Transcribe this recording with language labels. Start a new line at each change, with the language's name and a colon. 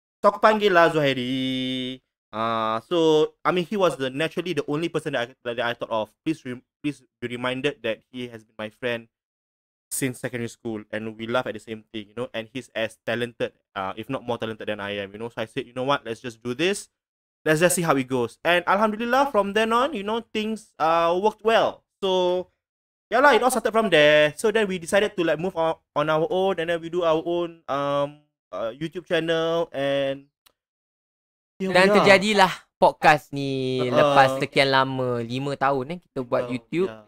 Malay: So aku panggil lah Zuhairi.
English: He was naturally the only person that I thought of. Please be reminded that he has been my friend since secondary school, and we laugh at the same thing, you know. And he's as talented, if not more talented than I am, you know. So I said, you know what, let's just do this. Let's just see how it goes. And alhamdulillah, from then on, you know, things worked well. So yeah lah, it all started from there. So then we decided to like move on our own, and then we do our own YouTube channel, and
Malay: terjadilah podcast ni lepas sekian lama, 5 tahun kita buat YouTube, yeah.